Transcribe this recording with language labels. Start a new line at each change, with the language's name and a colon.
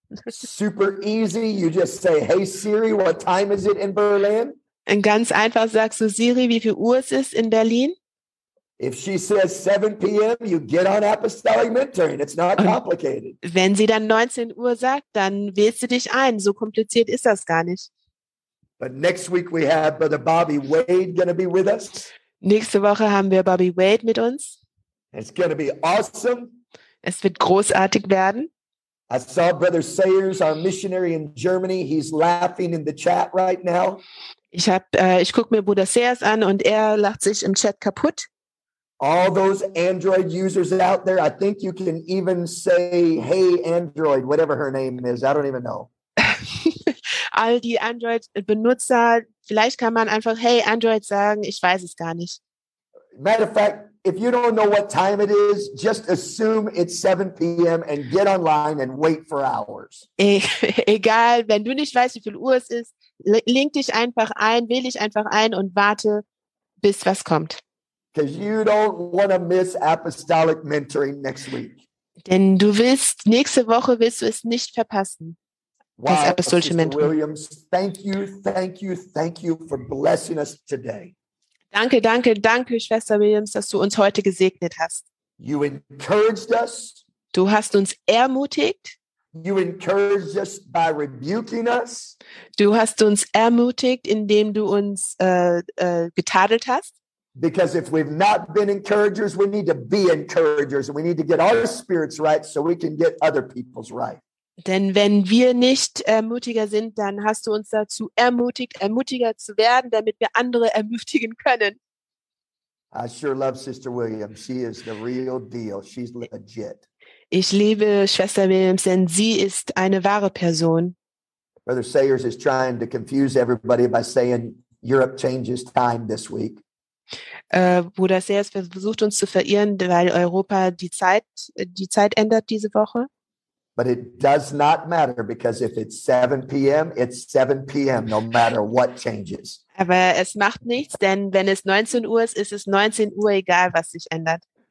English: Super easy. You just say, hey Siri, what time is it in Berlin?
German: Und ganz einfach sagst du, Siri, wie viel Uhr es ist in Berlin?
English: If she says 7 p.m., you get on apostolic mentoring. It's not complicated.
German: Und wenn sie dann 19 Uhr sagt, dann wählst du dich ein. So kompliziert ist das gar nicht.
English: But next week we have Brother Bobby Wade going to be with us.
German: Nächste Woche haben wir Bobby Wade mit uns.
English: It's going to be awesome.
German: Es wird großartig werden.
English: I saw Brother Sayers, our missionary in Germany. He's laughing in the chat right now.
German: Ich guck mir Bruder Sayers an und er lacht sich im Chat kaputt.
English: All those Android users out there, I think you can even say, hey Android, whatever her name is. I don't even know.
German: All die Android-Benutzer, vielleicht kann man einfach Hey Android sagen, ich weiß es gar nicht.
English: Matter of fact, if you don't know what time it is, just assume it's 7 p.m. and get online and wait for hours.
German: Egal, wenn du nicht weißt, wie viel Uhr es ist, link dich einfach ein, wähle dich einfach ein und warte, bis was kommt.
English: Because you don't want to miss apostolic mentoring next week.
German: Denn du willst, nächste Woche willst du es nicht verpassen.
English: Wow, Sister Williams, thank you for blessing us today.
German: Danke, danke, danke, Schwester Williams, dass du uns heute gesegnet hast.
English: You encouraged us.
German: Du hast uns ermutigt.
English: You encouraged us by rebuking us.
German: Du hast uns ermutigt, indem du uns getadelt hast.
English: Because if we've not been encouragers, we need to be encouragers. We need to get our spirits right so we can get other people's right.
German: Denn wenn wir nicht ermutiger sind, dann hast du uns dazu ermutigt, ermutiger zu werden, damit wir andere ermutigen können.
English: I sure love Sister Williams. She is the real deal. She's legit.
German: Ich liebe Schwester Williams, denn sie ist eine wahre Person.
English: Brother Sayers is trying to confuse everybody by saying Europe changes time this week.
German: Bruder Sayers versucht uns zu verirren, weil Europa die Zeit ändert diese Woche.
English: But it does not matter, because if it's 7 p.m., it's 7 p.m., no matter what changes.
German: Aber es macht nichts, denn wenn es 19 Uhr ist, ist es 19 Uhr, egal was sich ändert.